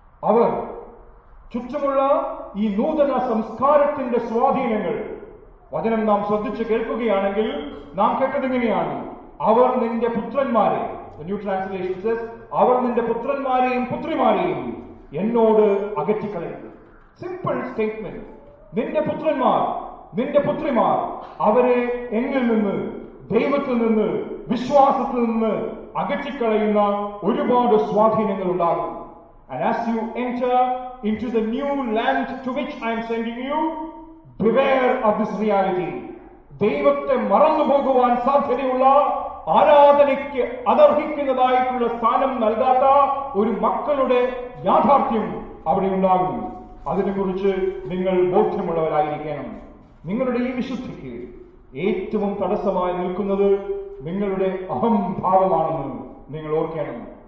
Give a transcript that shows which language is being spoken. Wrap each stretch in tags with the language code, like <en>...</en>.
<ml>അവർ ചുറ്റുമുള്ള ഈ നൂതന സംസ്കാരത്തിന്റെ സ്വാധീനങ്ങൾ, വചനം നാം ശ്രദ്ധിച്ച് കേൾക്കുകയാണെങ്കിൽ നാം കേട്ടതിങ്ങനെയാണ്: അവർ നിന്റെ പുത്രന്മാരെ,</ml> <en>the new translation says,</en> <ml>അവർ നിന്റെ പുത്രന്മാരെയും പുത്രിമാരെയും എന്നോട് അകറ്റിക്കളയും.</ml> <en>simple statement:</en> <ml>നിന്റെ പുത്രന്മാർ, നിന്റെ പുത്രിമാർ, അവരെ എങ്കിൽ നിന്ന്, ദൈവത്തിൽ നിന്ന്, വിശ്വാസത്തിൽ നിന്ന് അകറ്റിക്കളയുന്ന ഒരുപാട് സ്വാധീനങ്ങൾ ഉണ്ടാകും.</ml> <en>And as you enter into the new land to which I am sending you, beware of this reality.</en> <ml>ദൈവത്തെ മറന്നു പോകുവാൻ സാധ്യതയുള്ള, ആരാധനയ്ക്ക് അർഹിക്കുന്നതായിട്ടുള്ള സ്ഥാനം നൽകാത്ത ഒരു മക്കളുടെ യാഥാർത്ഥ്യം അവിടെ ഉണ്ടാകും. അതിനെക്കുറിച്ച് നിങ്ങൾ ബോധ്യമുള്ളവരായിരിക്കണം. നിങ്ങളുടെ ഈ വിശുദ്ധിക്ക് ഏറ്റവും തടസ്സമായി നിൽക്കുന്നത് നിങ്ങളുടെ അഹംഭാവമാണെന്ന് നിങ്ങൾ ഓർക്കണം.</ml>